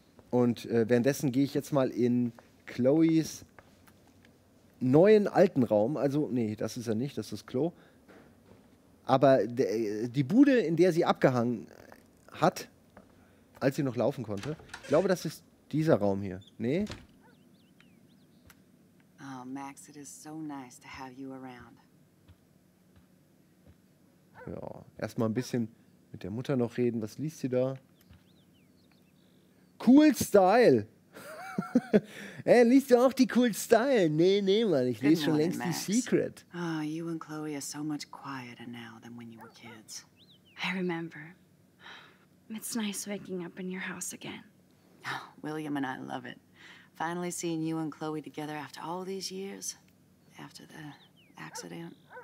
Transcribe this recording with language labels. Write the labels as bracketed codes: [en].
[de] Und währenddessen gehe ich jetzt mal in Chloes neuen alten Raum. Also, nee, das ist er nicht, das ist das Klo. Aber die Bude, in der sie abgehangen hat, als sie noch laufen konnte, ich glaube, das ist dieser Raum hier. Nee? [en] Oh, Max, it is so nice to have you around. [de] Ja, erstmal ein bisschen mit der Mutter noch reden. Was liest sie da? Cool Style. Hey, liest du auch die Cool Style? Nee, nee, Mann, ich lese schon längst die Secret. [en] Oh, you and Chloe are so much quieter now than when you were kids. I remember. It's nice waking up in your house again. Oh, William and I love it. Finally seeing you and Chloe together after all these years, after the accident.